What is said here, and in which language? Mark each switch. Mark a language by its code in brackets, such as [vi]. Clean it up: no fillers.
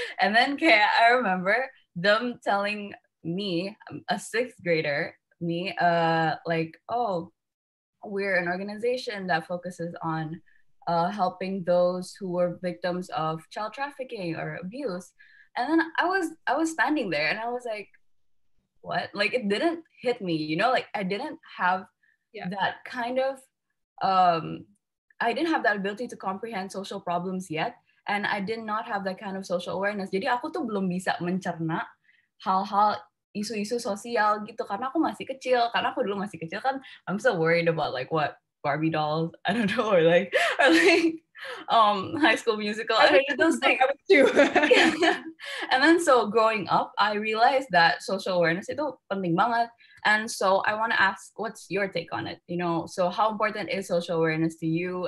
[en] And then kayak, I remember them telling me, a sixth grader, me, like, oh, we're an organization that focuses on helping those who were victims of child trafficking or abuse. And then I was standing there and I was like, what? Like, it didn't hit me, you know, like I didn't have that kind of I didn't have that ability to comprehend social problems yet, and I did not have that kind of social awareness. [id] Jadi aku tuh belum bisa mencerna hal-hal isu-isu sosial gitu karena aku masih kecil. Karena aku dulu masih kecil kan, [en] I'm so worried about like what Barbie dolls, I don't know, or like High School Musical. I mean, those things. I was too. And then so growing up, I realized that social awareness [id] itu penting banget. [en] And so I want to ask, what's your take on it? You know, so how important is social awareness to you?